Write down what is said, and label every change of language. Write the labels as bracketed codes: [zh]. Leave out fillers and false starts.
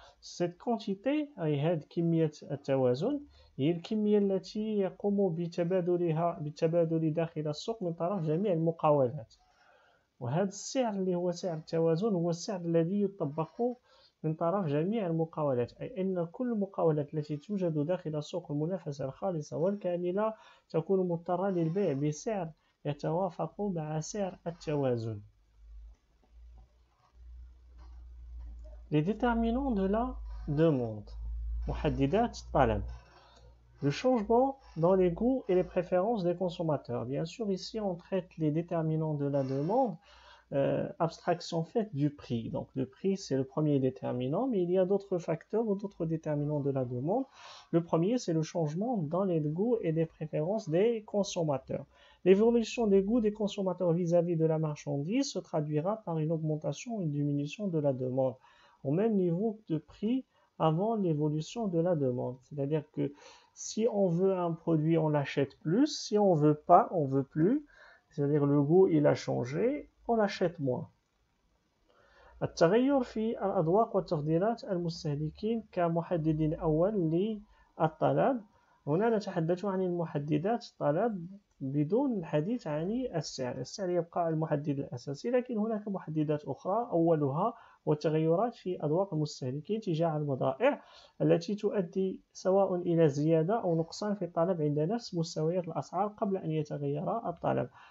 [fr] Cette quantité [ar] أي هذه كمية التوازن هي الكمية التي يقوم بتبادلها بتبادل داخل السوق من طرف جميع المقاولات، وهذا السعر اللي هو سعر التوازن هو السعر الذي يطبق من طرف جميع المقاولات، أي أن كل المقاولات التي توجد داخل سوق المنافسة الخالصة والكاملة تكون مضطرة للبيع بسعر يتوافق مع سعر التوازن. [fr] Les déterminants de la demande, [ar] محددات الطلب. [fr] Le changement dans les goûts et les préférences des consommateurs. Bien sûr, ici, on traite les déterminants de la demande, abstraction faite du prix. Donc, le prix, c'est le premier déterminant, mais il y a d'autres facteurs ou d'autres déterminants de la demande. Le premier, c'est le changement dans les goûts et les préférences des consommateurs. L'évolution des goûts des consommateurs vis-à-vis de la marchandise se traduira par une augmentation ou une diminution de la demande au même niveau de prix avant l'évolution de la demande. C'est-à-dire que si on veut un produit, on l'achète plus. Si on ne veut pas, on ne veut plus. C'est-à-dire le goût, il a changé, on l'achète moins. [ar] التغير في الأذواق والتفضيلات المستهلكين كمحدد أول للطلب. هنا نتحدث عن المحددات الطلب بدون الحديث عن السعر. السعر يبقى المحدد الأساسي، لكن هناك محددات أخرى أولها والتغيرات في أذواق المستهلكين تجاه البضائع التي تؤدي سواء إلى زيادة أو نقصان في الطلب عند نفس مستويات الأسعار قبل أن يتغير الطلب.